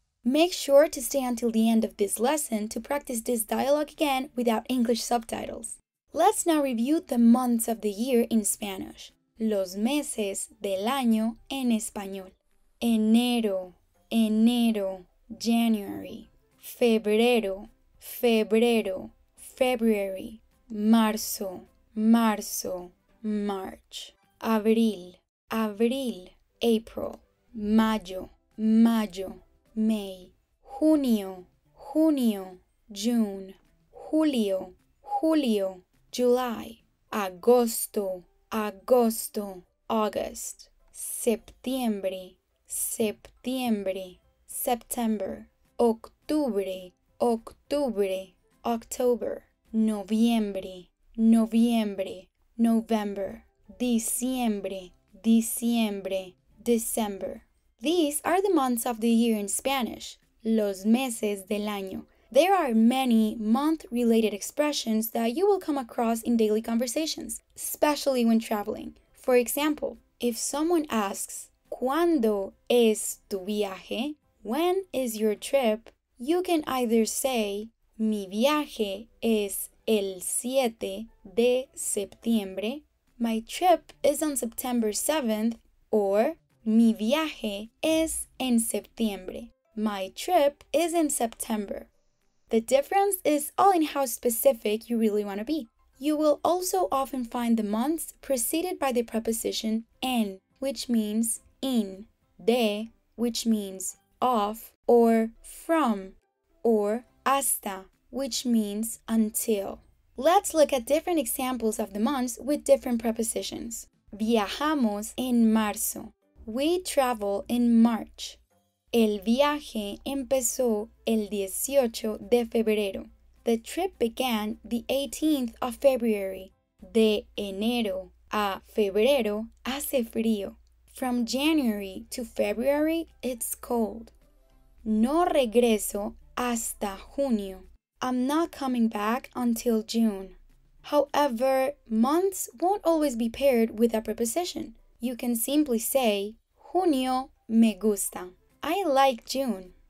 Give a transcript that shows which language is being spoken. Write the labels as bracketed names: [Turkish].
[English] Make sure to stay until the end of this lesson to practice this dialogue again without English subtitles. Let's now review the months of the year in Spanish. [Spanish] Los meses del año en español. Enero, enero, January. Febrero, febrero, February. Marzo, marzo, March. Abril, abril, April. Mayo, mayo, May. Junio, junio, June. Julio, julio, July. Agosto, agosto, August. Septiembre, septiembre, September. Octubre, octubre, October. Noviembre, noviembre, November. Diciembre, diciembre, December. [English] These are the months of the year in Spanish, [Spanish] los meses del año. [English] There are many month-related expressions that you will come across in daily conversations, especially when traveling. For example, if someone asks, [Spanish] ¿Cuándo es tu viaje? [English] When is your trip? You can either say, [Spanish] Mi viaje es el 7 de septiembre. [English] My trip is on September 7th. [Spanish] Or, Mi viaje es en septiembre. [English] My trip is in September. The difference is all in how specific you really want to be. You will also often find the months preceded by the preposition en, which means in, de, which means of, or from, or hasta, which means until. Let's look at different examples of the months with different prepositions. [Spanish] Viajamos en marzo. [English] We travel in March. [Spanish] El viaje empezó el 18 de febrero. [English] The trip began the 18th of February. [Spanish] De enero a febrero hace frío. [English] From January to February, it's cold. [Spanish] No regreso hasta junio. [English] I'm not coming back until June. However, months won't always be paired with a preposition. You can simply say, [Spanish] Junio me gusta. [English] I like June.